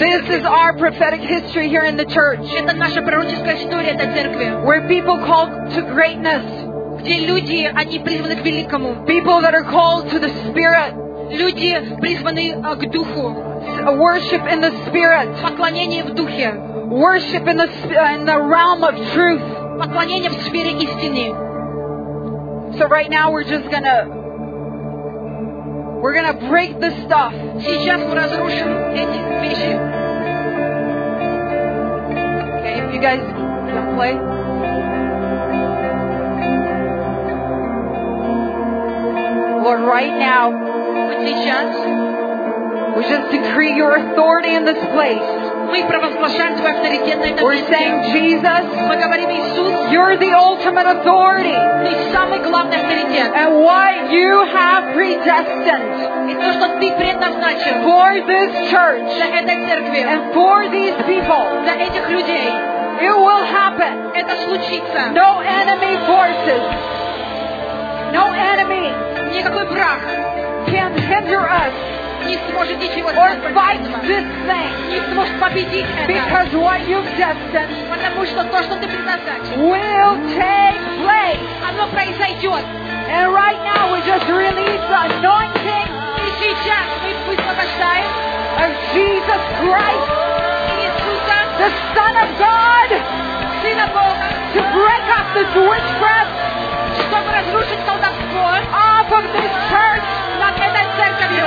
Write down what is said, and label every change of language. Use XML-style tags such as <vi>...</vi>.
<en>This is our prophetic history here in the church.</en> <ru>Это наша пророческая история этой церкви.</ru> <en>Where people called to greatness.</en> <ru>Где люди, они призваны к великому.</ru> <en>People that are called to the Spirit.</en> <ru>Люди, призваны к духу.</ru> <en>Worship in the Spirit.</en> <ru>Поклонение в духе.</ru> <en>Worship in the realm of truth.</en> <ru>Поклонение в сфере истины.</ru> <en>So right now we're gonna break this stuff.</en> <ru>Сейчас мы разрушим эти вещи.</ru> <en>Okay, if you guys can play. Lord, right now, we just decree your authority in this place. We're saying, Jesus, you're the ultimate authority. And what you have predestined for this church and for these people, it will happen. No enemy forces, no enemy.</en> <ru>Никакой враг</ru> <en>can hinder us,</en> <ru>не сможет ничего</ru> <en>or fight this thing,</en> <ru>не сможет победить это,</ru> <en>because what you've destined,</en> <ru>потому что то, что ты предназначил,</ru> <en>will take place,</en> <ru>оно произойдет,</ru> <en>and right now we just release the anointing,</en> <ru>и сейчас мы высвобождаем,</ru> <en>of Jesus Christ,</en> <ru>Иисуса,</ru> <en>the Son of God,</en> <ru>Сына Бога,</ru> <en>to break up this witchcraft,</en> <ru>чтобы разрушить колдовство.</ru> <en>Off of this church,</en> <ru>над этой церковью,</ru>